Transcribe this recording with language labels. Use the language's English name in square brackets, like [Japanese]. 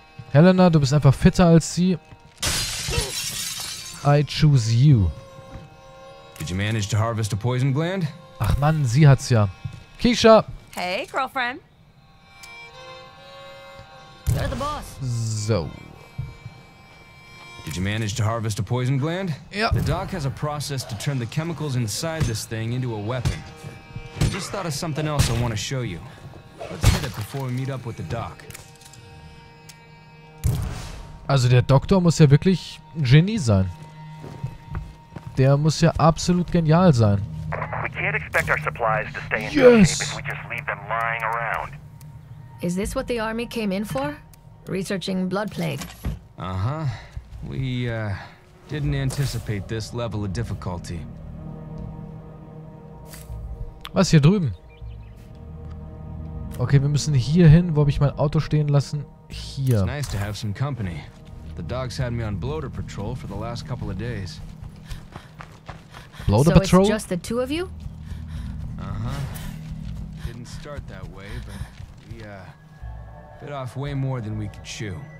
[German] Helena, du bist einfach fitter als sie. [English] I choose you. Did you manage to harvest a poison gland? [German] Ach Mann, sie hat's ja. Keisha. [English] Hey, girlfriend. So. Did you manage to harvest a poison gland? Yeah. The doc has a process to turn the chemicals inside this thing into a weapon. I just thought of something else I want to show you. Let's hit it before we meet up with the doc. [German] Also der Doktor muss ja wirklich ein Genie sein. Der muss ja absolut genial sein. [English] We can't expect our supplies to stay in good shape if we just leave them lying around. Is this what the army came in for? Researching blood plague. Uh-huh. We, Didn't anticipate this level of difficulty. [German] Was hier drüben? Okay, wir müssen hier hin. Wo habe ich mein Auto stehen lassen? Hier. [English] It's nice to have some company. The dogs had me on bloater patrol for the last couple of days. Bloater patrol? So it's just the two of you? Uh-huh. Didn't start that way, but we bit off way more than we could chew.